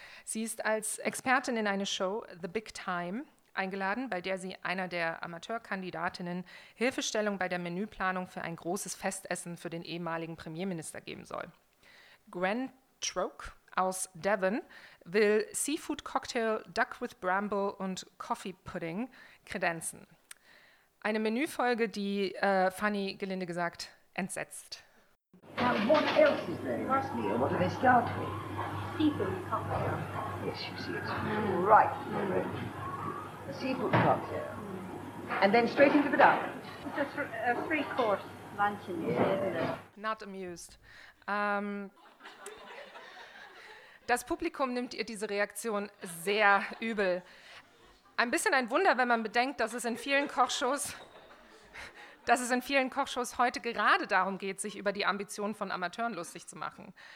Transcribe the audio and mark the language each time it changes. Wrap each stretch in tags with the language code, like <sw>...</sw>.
<de>Sie ist als Expertin in eine Show, The Big Time, eingeladen, bei der sie einer der Amateurkandidatinnen Hilfestellung bei der Menüplanung für ein großes Festessen für den ehemaligen Premierminister geben soll. Gwen Troke aus Devon will Seafood-Cocktail, Duck with Bramble und Coffee-Pudding kredenzen. Eine Menüfolge, die Fanny gelinde gesagt entsetzt.</de> <en>Now what else is there in this meal? What do they start with? Seafood cocktail. Yes, you see it. Mm. Right. Mm. A seafood cocktail. Mm. And then straight into the dark. It's a free course luncheon, yeah. Not amused.</en> <de>Das Publikum nimmt ihr diese Reaktion sehr übel. Ein bisschen ein Wunder, wenn man bedenkt, dass es in vielen Kochshows heute gerade darum geht, sich über die Ambitionen von Amateuren lustig zu machen.</de>